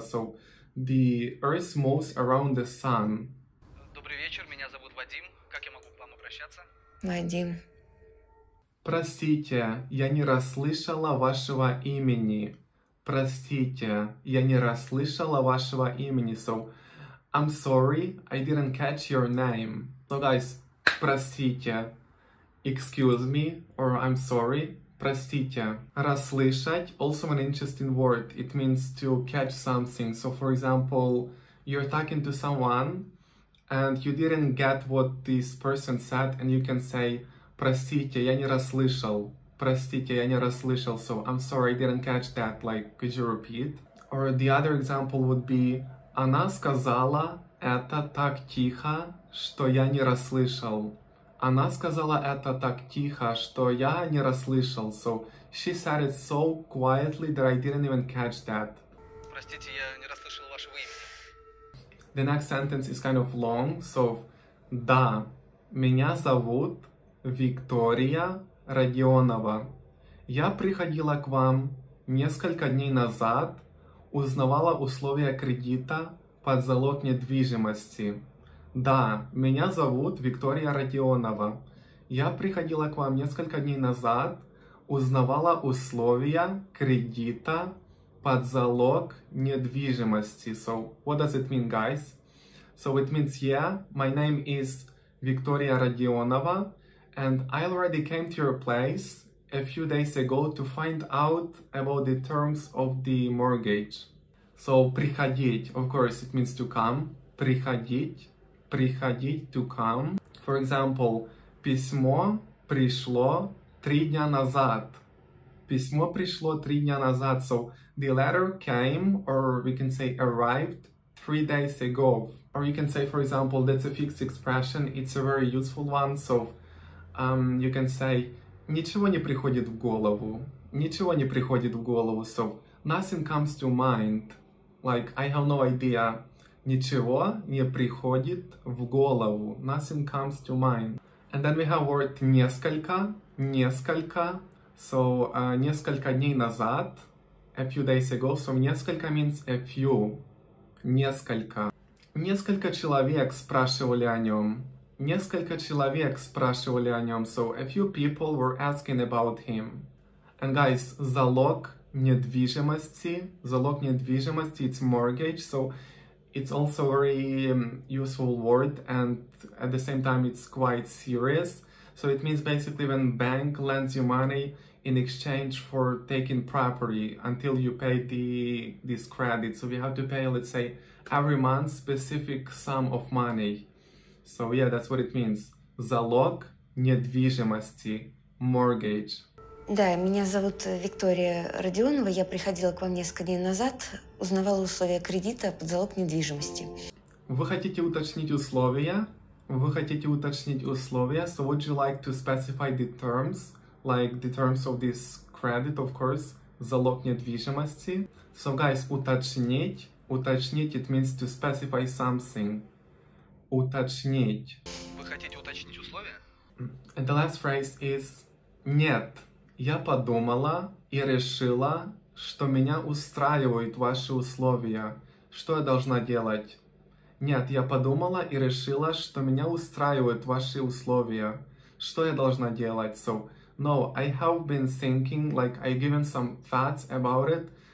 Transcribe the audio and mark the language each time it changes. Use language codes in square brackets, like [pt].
[en] So, the earth moves around the sun. [ru] Добрый вечер, меня зовут Вадим. Как я могу к вам обращаться? Вадим. Простите, я не расслышала вашего имени. Простите, я не расслышала вашего имени. [en] So, I'm sorry, I didn't catch your name. So, guys, простите. Excuse me, or I'm sorry. Простите. Расслышать, also an interesting word. It means to catch something. So, for example, you're talking to someone and you didn't get what this person said, and you can say, [ru] простите, я не расслышал. Простите, я не расслышал. [en] So, I'm sorry, I didn't catch that. Like, could you repeat? Or the other example would be [ru] Она сказала это так тихо, что я не расслышал. Она сказала это так тихо, что я не расслышал. [en] So she said it so quietly that I didn't even catch that. [ru] Простите, я не расслышал вашего имени. [en] The next sentence is kind of long, so [ru] да, меня зовут Виктория Родионова. Я приходила к вам несколько дней назад, узнавала условия кредита под залог недвижимости. Да, меня зовут Виктория Родионова. Я приходила к вам несколько дней назад, узнавала условия кредита под залог недвижимости. [en] So, what does it mean, guys? So, it means, yeah, my name is Виктория Родионова, and I already came to your place a few days ago to find out about the terms of the mortgage. So, приходить, of course, it means to come. Приходить, to come. For example, [ru] письмо пришло 3 дня назад. Письмо пришло 3 дня назад. [en] So, the letter came, or we can say arrived, 3 days ago. Or you can say, for example, that's a fixed expression. It's a very useful one. So, you can say, [ru] ничего не приходит в голову. Ничего не приходит в голову. [en] So, nothing comes to mind. Like, I have no idea. [ru] Ничего не приходит в голову. [en] Nothing comes to mind. And then we have word несколько. [ru] Несколько. So, несколько дней назад. [en] A few days ago. So, несколько means a few. Несколько. [ru] Несколько человек спрашивали о нем. Несколько человек спрашивали о нем. [en] So, a few people were asking about him. And guys, залог недвижимости. Залог недвижимости, it's mortgage. So, it's also a very useful word. And at the same time, it's quite serious. So, it means basically when bank lends you money in exchange for taking property until you pay this credit. So, you have to pay, let's say, every month specific sum of money. So yeah, that's what it means. Залог недвижимости. Mortgage. [ru] Да, меня зовут Виктория Родионова. Я приходила к вам несколько дней назад, узнавала условия кредита под залог недвижимости. Вы хотите уточнить условия? Вы хотите уточнить условия? [en] So would you like to specify the terms? Like the terms of this credit, of course. [ru] Залог недвижимости. [en] So guys, [ru] уточнить. [en] Уточнить, it means to specify something. Уточнить. [ru] Вы хотите уточнить условия? [en] And the last phrase is нет. [ru] Я подумала и решила, что меня устраивают ваши условия. Что я должна делать? Нет, я подумала и решила, что меня устраивают ваши условия. Что я должна делать? [en] So, no, I have been thinking, like, I've given some thoughts about it.